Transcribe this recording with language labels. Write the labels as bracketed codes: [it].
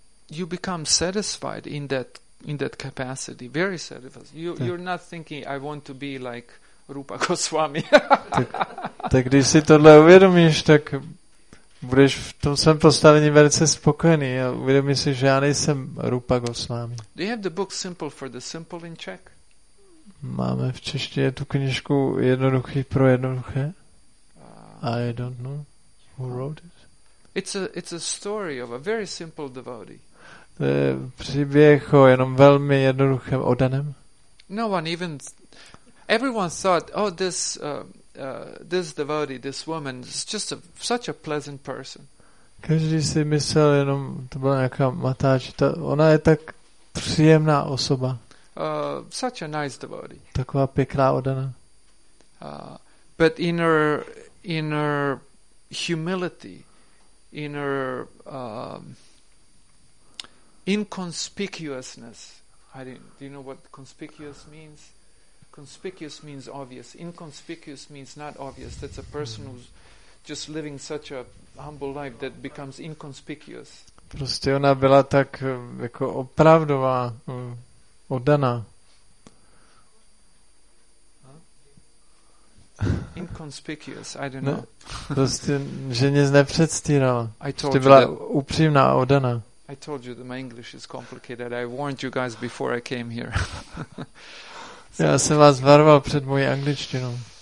[en] You become satisfied in that capacity, very satisfied. You're not thinking I want to be like Rupa Goswami. [cs] Tak když si tohle uvědomíš, tak budeš v tom svém postavení velice spokojený a uvědomíš si, že já nejsem Rupa Goswami. [en] Do you have the book Simple for the Simple in Czech? [cs] Máme v češtině tu knižku Jednoduchý pro jednoduché. [en] I don't know who wrote it. It's a story of a very simple devotee. [cs] To je příběh o jenom velmi jednoduchém oddaném. [en] No one even everyone thought, oh, this devotee, this woman is just such a pleasant person. [cs] Každý si myslel jenom, to byla nějaká matáč, ona je tak příjemná osoba. [en] Such a nice devotee. [cs] Taková pěkná oddaná. [en] But in her humility, in her inconspicuousness. Do you know what conspicuous means? Conspicuous means obvious. Inconspicuous means not obvious. That's a person who's just living such a humble life that becomes inconspicuous. [cs] Prostě ona byla tak jako opravdová, oddaná. [en] Inconspicuous. I don't know. [cs] Prostě, že nic nepředstírala. Prostě byla upřímná, oddaná. [en] I told you that my English is complicated. I warned you guys before I came here. [cs] So, já jsem vás varoval před mojí angličtinou.